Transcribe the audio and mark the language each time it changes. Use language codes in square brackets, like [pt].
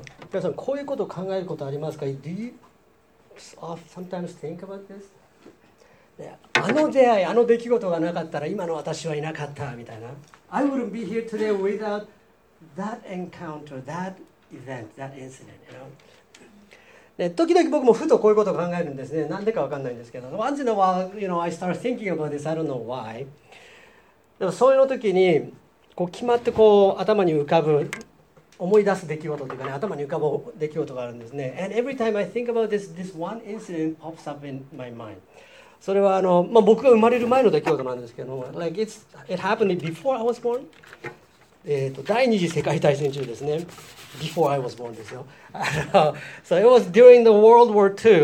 [ja] 皆さん、こういうことを考えることありますか？ [en] Do you sometimes think about this? [ja] あの出会い、あの出来事がなかったら今の私はいなかったみたいな。 [en] I wouldn't be here today without that encounter, that event, that incident, you know? [ja] ね、時々僕もふとこういうことを考えるんですね。なんでか分かんないんですけど。 [en] Once in a while, you know, I start thinking about this. I don't know why. [ja] でもそういうの時にこう決まってこう頭に浮かぶ、思い出す出来事というかね、頭に浮かぶ出来事があるんですね。 [en] And every time I think about this, this one incident pops up in my mind. [ja] それはまあ、僕が生まれる前の出来事なんですけども、 [en] Like it happened before I was born. [ja] 第二次世界大戦中ですね。 [en] Before I was born, [ja] ですよ。 [en] So it was during the World War II.